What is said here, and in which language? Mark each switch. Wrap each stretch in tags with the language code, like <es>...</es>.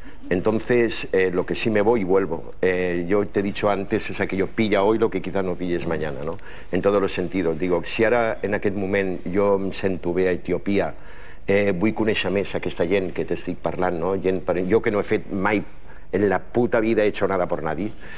<es>Entonces, lo que sí me voy, vuelvo. Yo te he dicho antes, es aquello, pilla hoy lo que quizá no pilles mañana, ¿no? En todos los sentidos.</es> <ca>Digo, si ara en aquest moment jo em sento bé a Etiòpia, vull conèixer més aquesta gent que t'estic parlant, no? Jo que no he fet mai...</ca> <es>En la puta vida he hecho nada por nadie.</es>